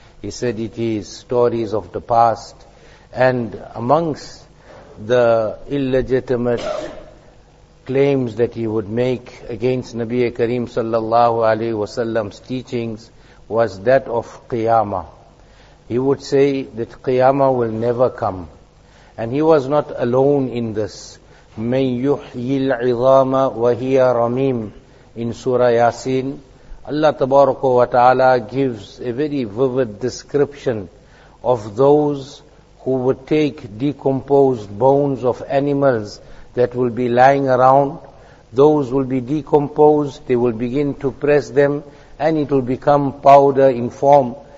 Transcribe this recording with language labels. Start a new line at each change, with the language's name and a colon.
English: He said it is stories of the past, and amongst the illegitimate claims that he would make against Nabi Kareem sallallahu alaihi wasallam's teachings was that of Qiyamah. He would say that Qiyamah will never come. And he was not alone in this.
Arabic: مَنْ يُحْيِي الْعِظَامَ وَهِيَ رَمِيمٌ
English: in Surah Yasin. Allah Tabaraka wa Ta'ala gives a very vivid description of those who would take decomposed bones of animals that will be lying around. Those will be decomposed, they will begin to press them, and it will become powder in form.